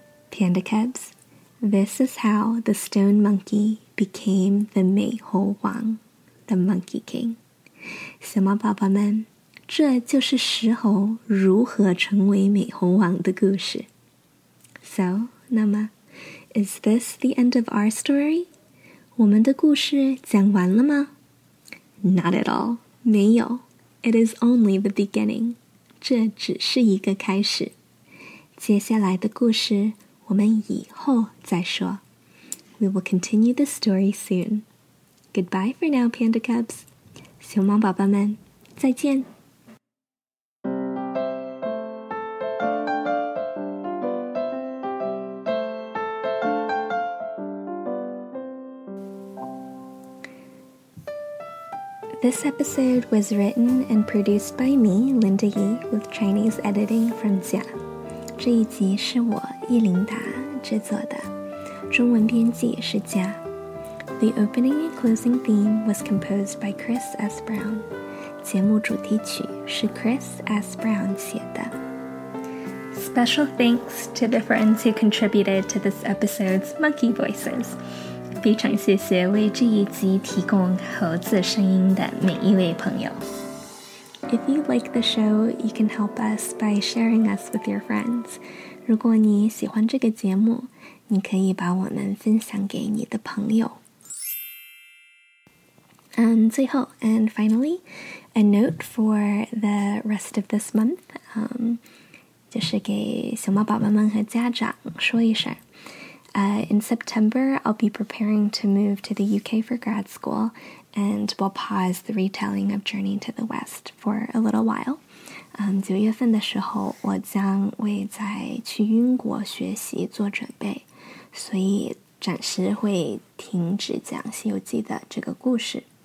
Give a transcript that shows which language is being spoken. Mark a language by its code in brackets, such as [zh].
[en] Panda Cubs, this is how the stone monkey became the 美猴王 the Monkey King. [zh] 小猫宝宝们这就是石猴如何成为美猴王的故事。 [en] So, [zh] 那么 [en] is this the end of our story? [zh] 我们的故事讲完了吗? [en] Not at all, [zh] 没有。 [en] It is only the beginning. [zh] 这只是一个开始。接下来的故事我们以后再说。 [en] We will continue the story soon. Goodbye for now, Panda Cubs. [zh] 熊猫宝宝们,再见。 [en] This episode was written and produced by me, Linda Yi, with Chinese editing from Jia. [zh] 这一集是我伊琳达制作的，中文编辑是 Jia. [en] The opening and closing theme was composed by Chris S. Brown. [zh] 节目主题曲是 Chris S. Brown 写的。 [en] Special thanks to the friends who contributed to this episode's monkey voices. [zh] 非常谢谢为这一集提供猴子声音的每一位朋友。 [en] If you like the show, you can help us by sharing us with your friends. [zh] 如果你喜欢这个节目，你可以把我们分享给你的朋友。最后 [en] and finally, a note for the rest of this month, [zh] 就是给熊猫宝宝们和家长说一声。 [en] In September, I'll be preparing to move to the UK for grad school, and we'll pause the retelling of Journey to the West for a little while. [zh] 九月份的时候，我将为在去英国学习做准备，所以暂时会停止讲《西游记》的这个故事。